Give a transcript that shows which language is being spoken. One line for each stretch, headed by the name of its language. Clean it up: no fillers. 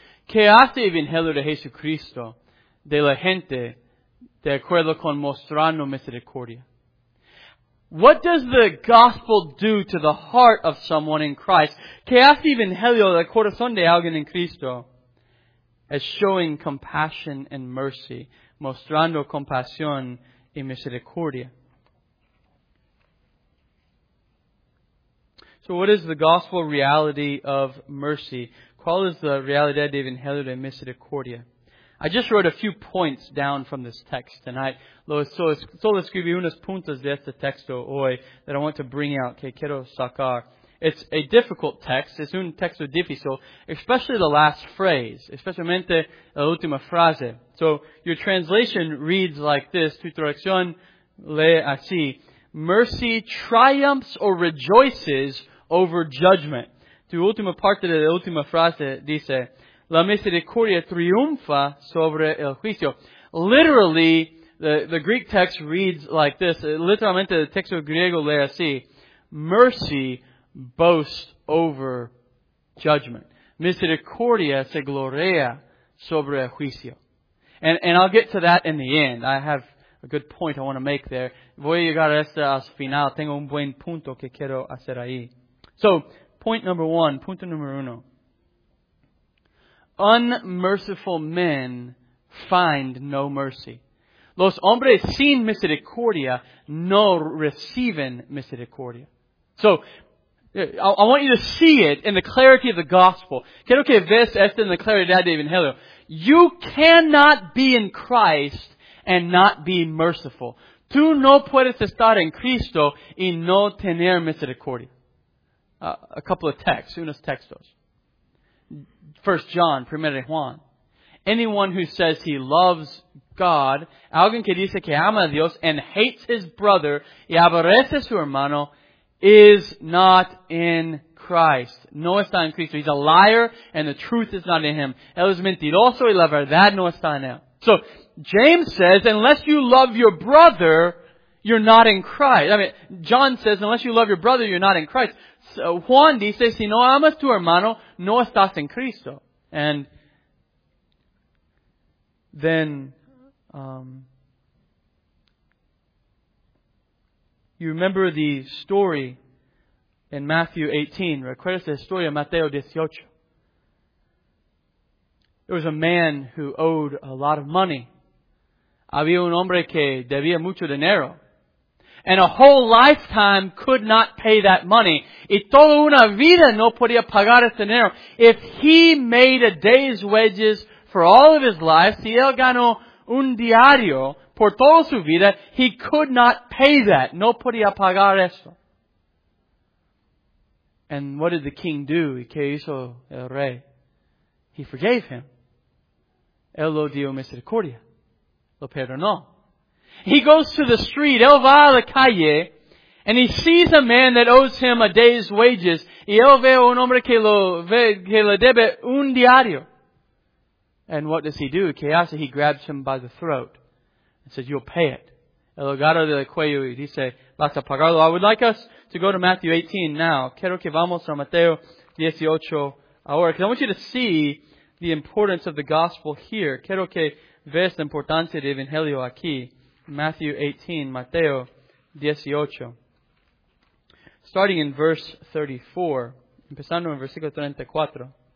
Spanish: ¿Qué hace el Evangelio de Jesucristo de la gente de acuerdo con mostrando misericordia?
English: What does the gospel do to the heart of someone in Christ?
Spanish: ¿Qué hace el Evangelio del corazón de alguien en Cristo?
English: As showing compassion and mercy,
Spanish: mostrando compasión y misericordia.
English: So what is the gospel reality of mercy?
Spanish: ¿Cuál es la realidad del Evangelio de misericordia?
English: I just wrote a few points down from this text tonight.
Spanish: Solo escribí unos puntos de este texto hoy
English: that I want to bring out,
Spanish: que quiero sacar.
English: It's a difficult text.
Spanish: Es un texto difícil,
English: especially the last phrase,
Spanish: especialmente la última frase.
English: So your translation reads like this.
Spanish: Tu traducción lee así.
English: Mercy triumphs or rejoices over judgment.
Spanish: Tu última parte de la última frase dice, la misericordia triunfa sobre el juicio.
English: Literally, the Greek text reads like this.
Spanish: Literalmente, el texto griego lee así.
English: Mercy boasts over judgment.
Spanish: Misericordia se gloria sobre el juicio.
English: And I'll get to that in the end. I have a good point I want to make there.
Spanish: Voy a llegar a este al final. Tengo un buen punto que quiero hacer ahí.
English: So,
Spanish: punto número uno.
English: Unmerciful men find no mercy.
Spanish: Los hombres sin misericordia no reciben misericordia.
English: So, I want you to see it in the clarity of the gospel.
Spanish: Quiero que veas esto en la claridad del Evangelio.
English: You cannot be in Christ and not be merciful.
Spanish: Tú no puedes estar en Cristo y no tener misericordia.
English: A couple of texts,
Spanish: unos textos.
English: 1 John, 1 Juan. Anyone who says he loves God,
Spanish: alguien que dice que ama a Dios
English: and hates his brother
Spanish: y aborrece su hermano,
English: is not in Christ.
Spanish: No está en Cristo.
English: He's a liar and the truth is not in him.
Spanish: Él es mentiroso y la verdad no está en él.
English: So, James says, unless you love your brother, you're not in Christ. I mean, John says, unless you love your brother, you're not in Christ.
Spanish: So, Juan dice, si no amas tu hermano, no estás en Cristo.
English: And then, you remember the story in Matthew 18.
Spanish: Recuerdas la historia de Mateo 18.
English: There was a man who owed a lot of money.
Spanish: Había un hombre que debía mucho dinero.
English: And a whole lifetime could not pay that money.
Spanish: Y toda una vida no podía pagar ese dinero.
English: If he made a day's wages for all of his life,
Spanish: si él ganó un diario por toda su vida,
English: he could not pay that.
Spanish: No podía pagar eso.
English: And what did the king do?
Spanish: ¿Qué hizo el rey?
English: He forgave him.
Spanish: Él lo dio misericordia. Lo perdonó.
English: He goes to the street.
Spanish: Él va a la calle.
English: And he sees a man that owes him a day's wages.
Spanish: Y él ve un hombre que le debe un diario.
English: And what does he do?
Spanish: ¿Qué hace?
English: He grabs him by the throat. He says, you'll pay it.
Spanish: El agarra del cuello y dice, vas a pagarlo.
English: I would like us to go to Matthew 18 now.
Spanish: Quiero que vamos a Mateo 18 ahora.
English: Because I want you to see the importance of the gospel here.
Spanish: Quiero que veas la importancia del Evangelio aquí. Matthew 18, Mateo 18.
English: Starting in verse 34.
Spanish: Empezando en versículo 34.